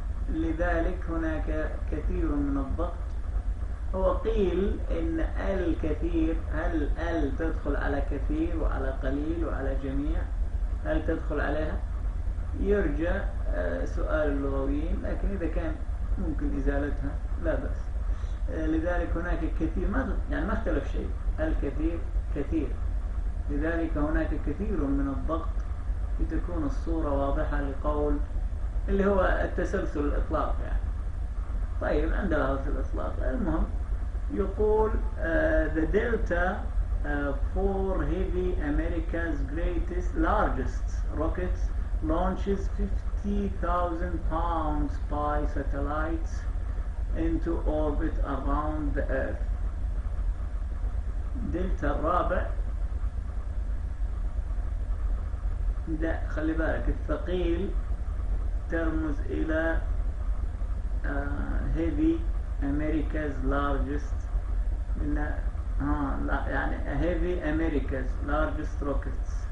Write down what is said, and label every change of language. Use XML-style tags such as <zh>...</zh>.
<ar>لذلك هناك كثير من الضغط. هو قيل ان الكثير، هل ال تدخل على كثير وعلى قليل وعلى جميع؟ هل تدخل عليها؟ يرجى سؤال اللغويين، لكن اذا كان ممكن ازالتها لا بأس. لذلك هناك كثير، ما يعني ما اختلف شيء، الكثير كثير. لذلك هناك كثير من الضغط لتكون الصورة واضحة للقول، اللي هو التسلسل الإطلاق يعني. طيب عند لفظ الإطلاق، المهم يقول</ar> <en>the delta for heavy America's greatest largest rockets launches 50,000 pounds by satellites into orbit around the earth.</en> <ar>دلتا الرابع ده، خلي بالك الثقيل ترمز الى</ar> <en>heavy America's largest،</en> <ar>لا يعني</ar> <en>heavy America's largest rockets.</en>